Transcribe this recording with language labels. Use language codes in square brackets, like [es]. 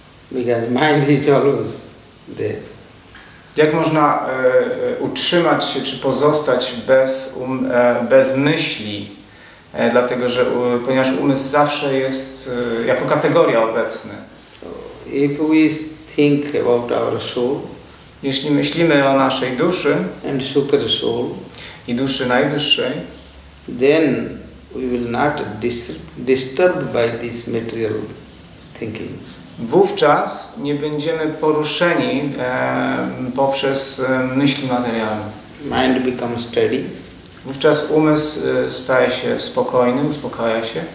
[en] Because mind is always there. [pl] Jak można utrzymać się, czy pozostać bez myśli? Dlatego, że ponieważ umysł zawsze jest jako kategoria obecny. [en] If we think about our soul, [pl] jeśli myślimy o naszej duszy [en] and super soul, [pl] i duszy najwyższej, [en] then we will not disturbed by these material thinkings. [pl] Wówczas nie będziemy poruszeni poprzez myśli materialne. [en] Mind becomes steady. [pl] Wówczas umysł staje się spokojny, uspokaja się.